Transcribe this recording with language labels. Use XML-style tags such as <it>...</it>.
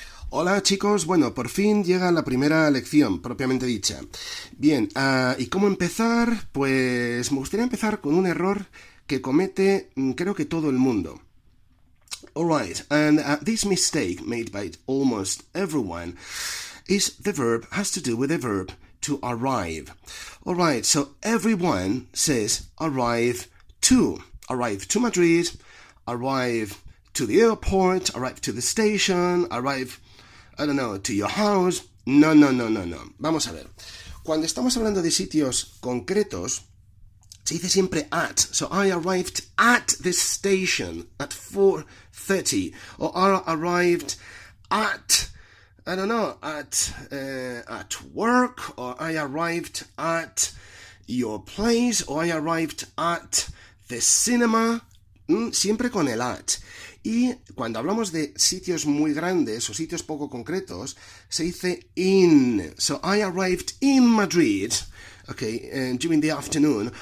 <es>Hola chicos, bueno, por fin llega la primera lección propiamente dicha. Bien, ¿y cómo empezar? Pues me gustaría empezar con un error que comete creo que todo el mundo.</es> <en>Alright, and this mistake made by almost everyone is the verb has to do with the verb to arrive. Alright, so everyone says arrive to Madrid, arrive to the airport, arrive to the station, arrive. I don't know, to your house. No, no, no, no, no. Vamos a ver.</en> <es>Cuando estamos hablando de sitios concretos, se dice siempre at.</es> <en>So I arrived at the station at 4:30. Or I arrived at, I don't know, at work. Or I arrived at your place. Or I arrived at the cinema. Siempre con el at.</en> <es>Y cuando hablamos de sitios muy grandes o sitios poco concretos, se dice in.</es> <en>So I arrived in Madrid, okay, during the afternoon.</en>